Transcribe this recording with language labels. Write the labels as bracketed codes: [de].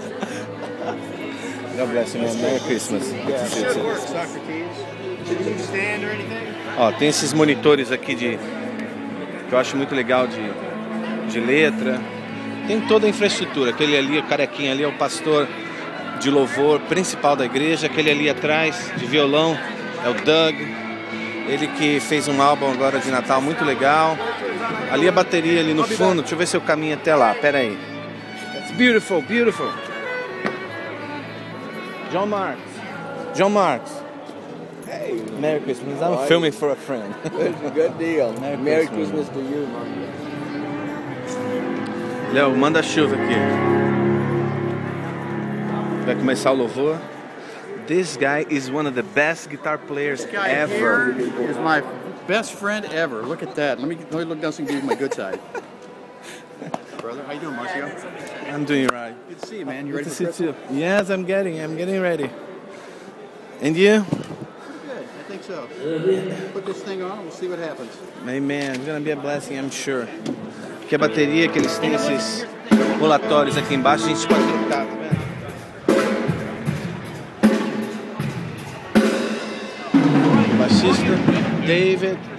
[en] Okay, so when did you start buying? Which part? God bless you, man. Merry Christmas. Yeah. It should work, Socrates. Did you stand or anything? [pt] Ó, tem esses monitores aqui de... que eu acho muito legal de letra. Tem toda a infraestrutura. Aquele ali, o carequinha ali, é o pastor de louvor principal da igreja. Aquele ali atrás, de violão, é o Doug. Ele que fez um álbum agora de Natal muito legal. Ali a bateria, ali no fundo. Deixa eu ver se eu caminho até lá. Pera aí. [en] It's beautiful, beautiful. John Marks. Hey. Merry Christmas. I'm filming for a friend. It's a good deal. Merry Christmas to you, man. [pt] Léo, manda chuva aqui. Vai começar o louvor. [en] This guy is one of the best guitar players ever. This guy here is my best friend ever. Look at that. Let me look down so I can give you my good side. Brother, how you doing, Marcio? I'm doing right. Good to see you, man. You ready for Christmas? Yes, I'm getting ready. And you? Good. I think so. Mm-hmm. Put this thing on. We'll see what happens. Amen. It's gonna be a blessing, I'm sure. [pt] Que a bateria que eles têm esses rolatórios aqui embaixo, a gente pode tentar. Bassista, David.